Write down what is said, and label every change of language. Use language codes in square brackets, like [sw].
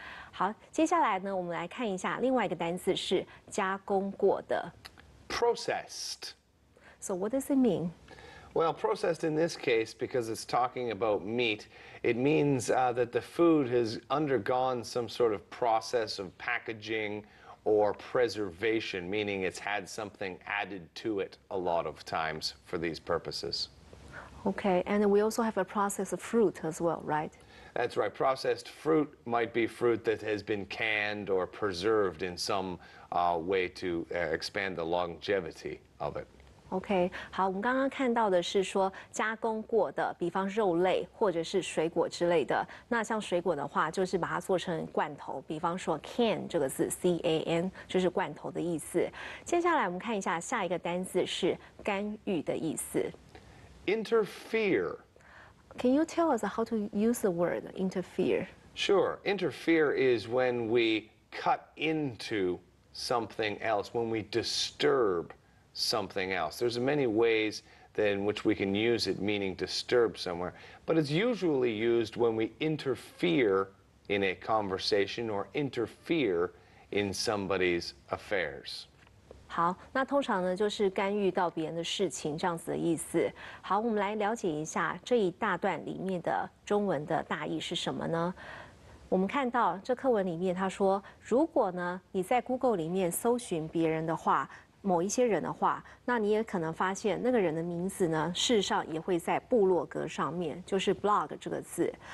[zh] 好，接下来呢，我们来看一下另外一个单词是加工过的 [en] processed. So what does it mean? Well, processed in this case, because it's talking about meat, it means that the food has undergone some sort of process of packaging. Or preservation, meaning it's had something added to it a lot of times for these purposes. Okay, and we also have a processed fruit as well, right? That's right. Processed fruit might be fruit that has been canned or preserved in some way to expand the longevity of it. [zh] OK, 好，我们刚刚看到的是说加工过的，比方肉类或者是水果之类的。那像水果的话，就是把它做成罐头，比方说 can 这个字 ，can 就是罐头的意思。接下来我们看一下下一个单字是干预的意思 [en] ，interfere. Can you tell us how to use the word interfere? Sure. Interfere is when we cut into something else, when we disturb. Something else. There's many ways in which we can use it, meaning disturb somewhere, but it's usually used when we interfere in a conversation or interfere in somebody's affairs. [zh] 好，那通常呢就是干预到别人的事情这样子的意思。好，我们来了解一下这一大段里面的中文的大意是什么呢？我们看到这课文里面他说，如果呢你在 Google 里面搜寻别人的话，某一些人的话，那你也可能发现那个人的名字呢，事实上也会在部落格上面，就是 blog 这个字。